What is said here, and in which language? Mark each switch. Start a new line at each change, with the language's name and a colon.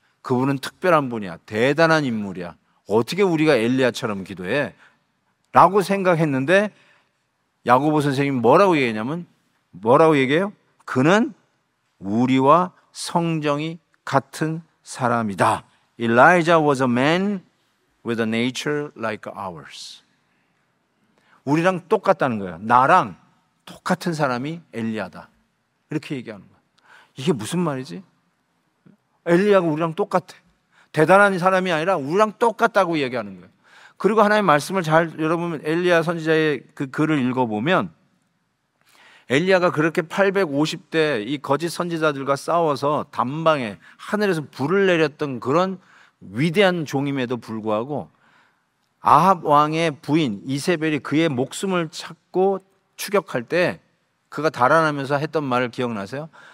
Korean: 그분은 특별한 분이야. 대단한 인물이야. 어떻게 우리가 엘리야처럼 기도해? 라고 생각했는데 야고보 선생님이 뭐라고 얘기했냐면, 뭐라고 얘기해요? 그는 우리와 성정이 같은 사람이다.
English: Elijah was a man with a nature like ours.
Korean: 우리랑 똑같다는 거예요. 나랑 똑같은 사람이 엘리야다. 이렇게 얘기하는 거예요. 이게 무슨 말이지? 엘리야가 우리랑 똑같아. 대단한 사람이 아니라 우리랑 똑같다고 얘기하는 거예요. 그리고 하나님의 말씀을 잘 여러분 엘리야 선지자의 그 글을 읽어보면 엘리야가 그렇게 850대 이 거짓 선지자들과 싸워서 단방에 하늘에서 불을 내렸던 그런 위대한 종임에도 불구하고 아합 왕의 부인 이세벨이 그의 목숨을 찾고 추격할 때 그가 달아나면서 했던 말을 기억나세요?